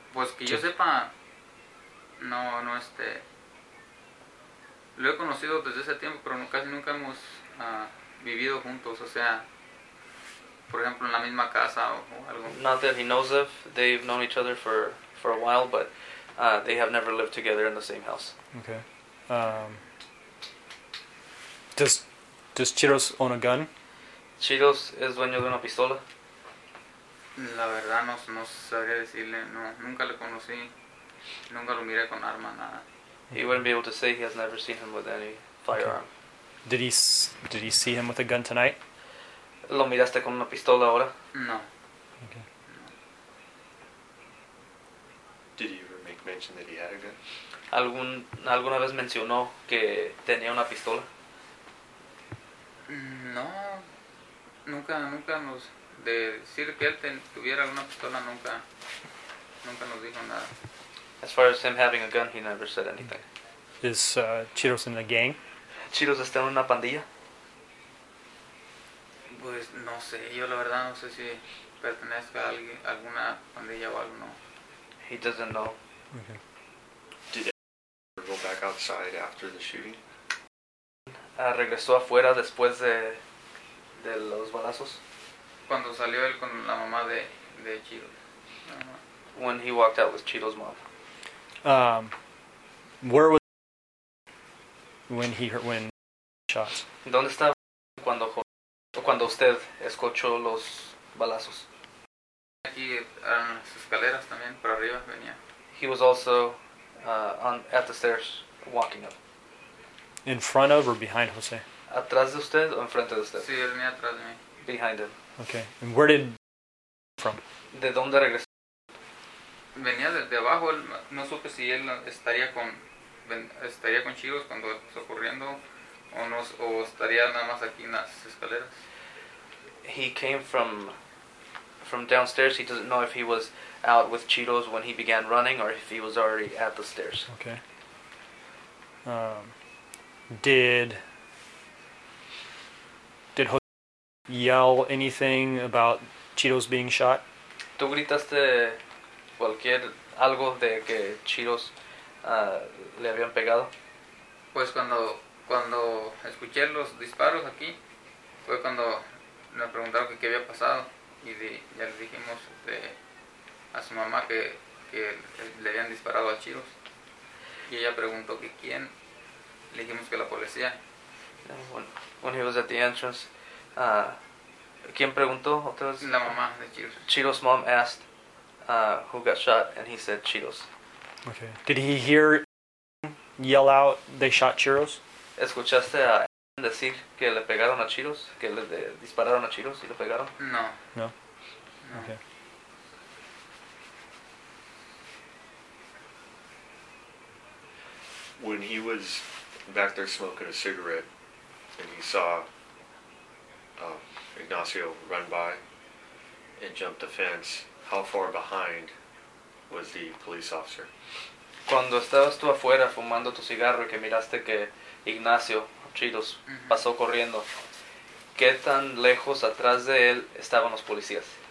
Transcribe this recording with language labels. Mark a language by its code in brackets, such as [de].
[es] Pues que yo sepa, no, lo he conocido desde ese tiempo, pero casi nunca hemos vivido juntos, o sea, por ejemplo, en la misma casa o algo. [en] Not that he knows of. They've known each other for a while, but they have never lived together in the same house. Okay. Does Chiros own a gun? [es] Chiros es dueño de una pistola. La verdad no sabría decirle, no, nunca le conocí, nunca lo miré con arma, nada. [en] He wouldn't be able to say he has never seen him with any firearm. Okay. Did he see him with a gun tonight? [es] ¿Lo miraste con una pistola ahora? No. [en] Okay. Did he ever make mention that he had a gun? [es] ¿Alguna vez mencionó que tenía una pistola? No, nunca nos... De decir que él tuviera alguna pistola, nunca nos dijo nada. [en] As far as him having a gun, he never said anything. Is Chiros in a gang? [es] ¿Chiros está en una pandilla? Pues no sé, yo la verdad no sé si pertenezca a alguien, alguna pandilla o algo, no. [en] He doesn't know. Okay. Did he go back outside after the shooting? [es] ¿Regresó afuera después de los balazos? Cuando salió él con la mamá de Chiro. [en] When he walked out with Chiro's mom. Where was when he heard when shots? [es] ¿Dónde estaba cuando usted escuchó los balazos? Aquí en las escaleras también para arriba venía. [en] He was also at the stairs walking up. In front of or behind Jose? [es] ¿Atrás de usted o enfrente de usted? Sí, él venía atrás de mí. [en] Behind him. Okay. And where did from? [es] ¿De dónde regresó? Venía desde abajo, él, no supe si él estaría con Chiros cuando está ocurriendo o estaría nada más aquí en las escaleras. [en] He came from downstairs. He doesn't know if he was out with Chiros when he began running or if he was already at the stairs. Okay. Did Jose yell anything about Chiros being shot? [es] ¿Tú gritaste cualquier algo de que Chiros le habían pegado? Pues cuando escuché los disparos aquí, fue cuando me preguntaron qué había pasado y ya le dijimos a su mamá que le habían disparado a Chiros. Y ella preguntó que quién. Le dijimos que la policía. [en] When he was at the entrance, [es] ¿quién preguntó otra vez? La mamá de Chiros. [en] Chiros' mom asked who got shot, and he said Chiros. Okay. Did he hear yell out, they shot Chiros? [es] ¿Escuchaste a decir que le pegaron a Chiros? ¿Que le dispararon a Chiros y le pegaron? No. No? No. [en] Okay. When he was back there smoking a cigarette, and he saw Ignacio run by and jump the fence, how far behind was the police officer? [es] Cuando estabas tú afuera fumando tu cigarro y que miraste que Ignacio Chiros pasó corriendo, ¿qué tan lejos atrás de él estaban los policías?